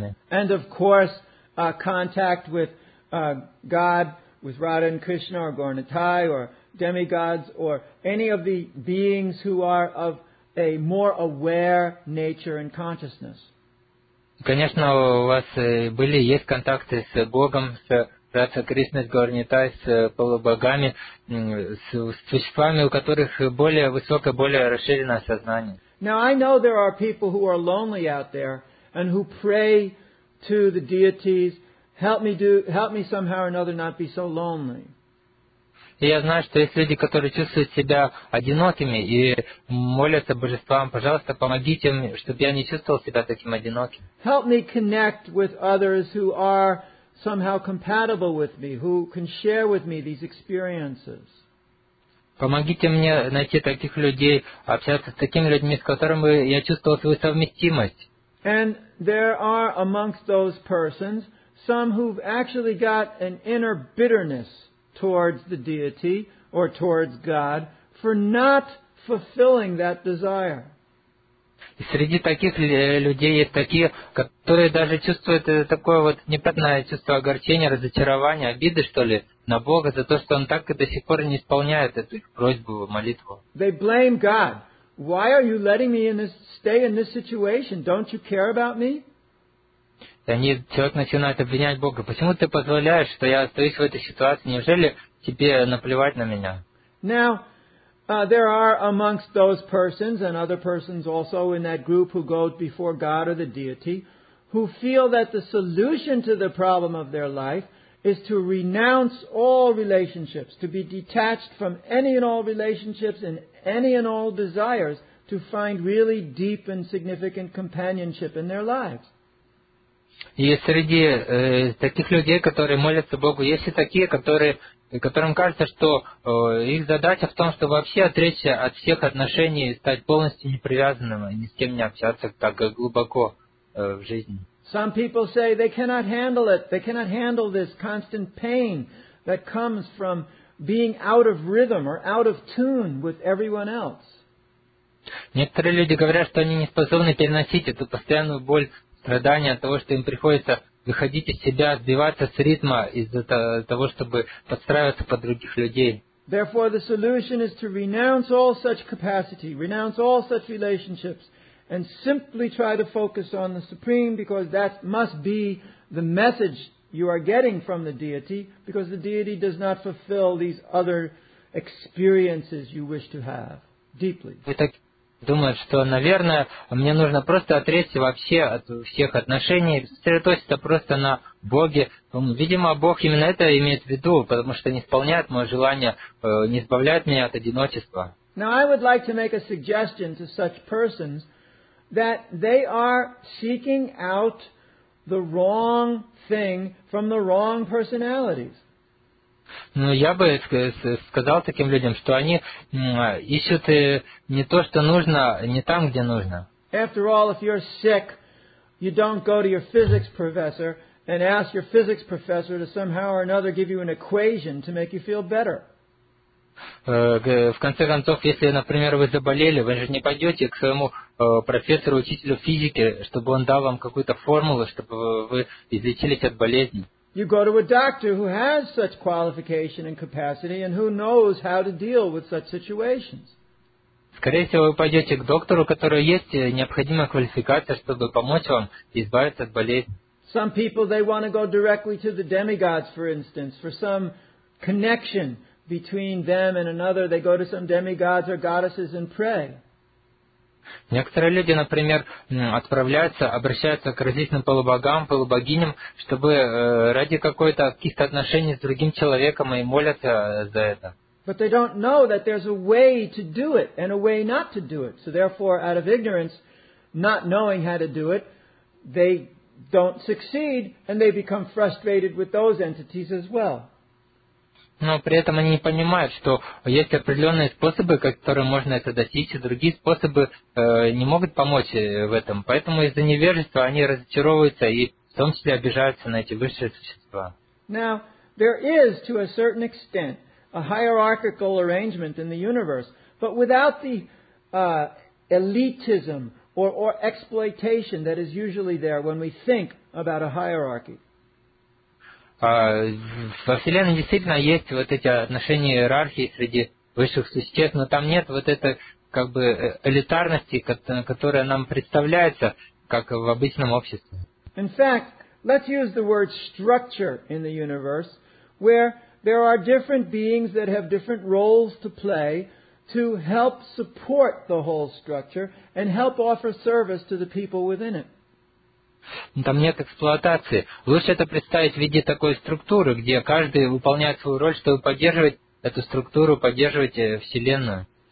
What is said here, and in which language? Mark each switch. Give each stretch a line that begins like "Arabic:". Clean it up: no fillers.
English: And of course, contact with God, with Radha and Krishna, or Gaur-Nitai, or demigods, or any of the beings who are of a more aware nature and consciousness.
Russian: Конечно, у вас были есть контакты с Богом, с Радхой Кришной, с Гаур-Нитай, с полубогами, с существами, у которых более высокое, более расширенное сознание.
English: Now I know there are people who are lonely out there and who pray to the deities, help me somehow or another not be so lonely.
Russian: Я знаю, что есть люди, которые чувствуют себя одинокими и молятся божествам, пожалуйста, помогите мне, чтобы я не чувствовал себя таким одиноким.
English: Help me connect with others who are somehow compatible with me, who can share with me these experiences.
Russian: Помогите мне найти таких людей, общаться с такими людьми, с которыми я чувствовал свою совместимость.
English: And there are amongst those persons some who've actually got an inner bitterness towards the deity or towards God for not fulfilling that desire.
Russian: И среди таких людей есть такие, которые даже чувствуют такое вот неприятное чувство огорчения, разочарования, обиды, что ли, на Бога за то, что Он так и до сих пор не исполняет эту их просьбу, молитву.
English: They blame God. Why are you letting me in this, stay in this situation? Don't you care about me?
Russian: Они, человек начинает обвинять Бога. Почему ты позволяешь, что я остаюсь в этой ситуации? Неужели тебе наплевать на меня?
English: Now, there are amongst those persons and other persons also in that group who go before God or the deity who feel that the solution to the problem of their life is to renounce all relationships, to be detached from any and all relationships and any and all desires to find really deep and significant companionship in their lives.
Russian: И среди таких людей, которые молятся Богу, есть и такие, которым кажется, что их задача в том, чтобы вообще отречься от всех отношений и стать полностью непривязанным и ни с кем не общаться так глубоко в жизни.
English: Some people say they cannot handle it. They cannot handle this constant pain that comes from being out of rhythm or out of tune with everyone else.
Russian: Некоторые люди говорят, что они не способны переносить эту постоянную боль, страдания от того, что им приходится выходить из себя, сбиваться с ритма из-за того, чтобы подстраиваться под других людей.
English: Therefore, the solution is to renounce all such capacity, renounce all such relationships, and simply try to focus on the Supreme, because that must be the message you are getting from the Deity, because the Deity does not fulfill these other experiences you wish to have deeply.
Russian: Думают, что, наверное, мне нужно просто отречься вообще от всех отношений, сосредоточиться просто на Боге. Видимо, Бог именно это имеет в виду, потому что не исполняет мое желание, не избавляет меня от одиночества.
English: Now, I would like to make a suggestion to such persons that they are seeking out the wrong thing from the wrong personalities.
Russian: Ну, я бы сказал таким людям, что они ищут не то, что нужно, не там, где нужно.
English: After all, if you're sick, you don't go to your physics professor and ask your physics professor to somehow or another give you an equation to make you feel better.
Russian: В конце концов, если, например, вы заболели, вы же не пойдете к своему профессору, учителю физики, чтобы он дал вам какую-то формулу, чтобы вы излечились от болезни.
English: You go to a doctor who has such qualification and capacity and who knows how to deal with such situations.
Russian: Скорее всего, вы пойдете к доктору, у которого есть необходимая квалификация, чтобы помочь вам избавиться от болезни.
English: Some people, they want to go directly to the demigods, for instance, for some connection between them and another. They go to some demigods or goddesses and pray.
Russian: Некоторые люди, например, обращаются к различным полубогам, полубогиням, чтобы ради каких-то отношений с другим человеком и молятся за это.
English: But they don't know that there's a way to do it and a way not to do it. So therefore, out of ignorance, not knowing how to do it, they don't succeed and they become frustrated with those entities as well.
Russian: Но при этом они не понимают, что есть определенные способы, которые можно это достичь, и другие способы не могут помочь в этом. Поэтому из-за невежества они разочаровываются и в том числе обижаются на эти высшие существа.
English: Now, there is, to a certain extent, a hierarchical arrangement in the universe, but without the elitism or exploitation that is usually there when we think about a hierarchy.
Russian: Во Вселенной действительно есть вот эти отношения иерархии среди высших существ, но там нет вот этой как бы элитарности, которая нам представляется, как в обычном обществе.
English: In fact, let's use the word structure in the universe, where there are different beings that have different roles to play to help support the whole structure and help offer service to the people within it.
Russian: Там нет эксплуатации. Лучше это представить в виде такой структуры, где каждый выполняет свою роль, чтобы поддерживать эту структуру, поддерживать Вселенную.